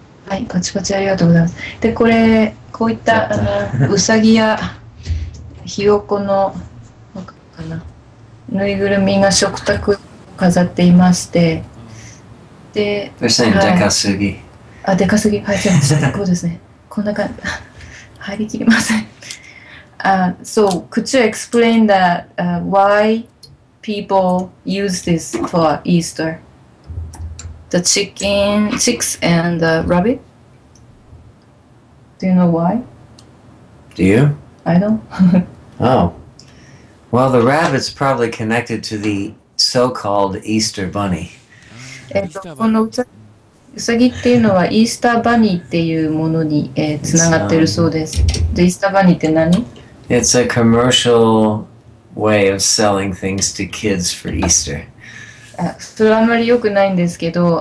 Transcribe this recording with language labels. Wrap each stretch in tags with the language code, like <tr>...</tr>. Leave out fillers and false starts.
<ja>はい、パチパチありがとうございます。でこれこういったあのうさぎやひよこのなんかかなぬいぐるみが食卓飾っていまして、で、はい、デカすぎ、あ、デカすぎ、はい、じゃあこうですね、こんな感じ、入りきりません。</ja> <en>So could you explain that why people use this for Easter? The chicken, chicks and the rabbit. Do you know why? Do you? I don't. Oh, well, the rabbit's probably connected to the so-called Easter bunny.</en> <ja>このうさ、ウサギっていうのはイースターバニーっていうものに、つながってるそうです。で、イースターバニーって何？</ja> <en>It's a commercial way of selling things to kids for Easter.</en> <ja>あ、それはあんまり良くないんですけど、</ja>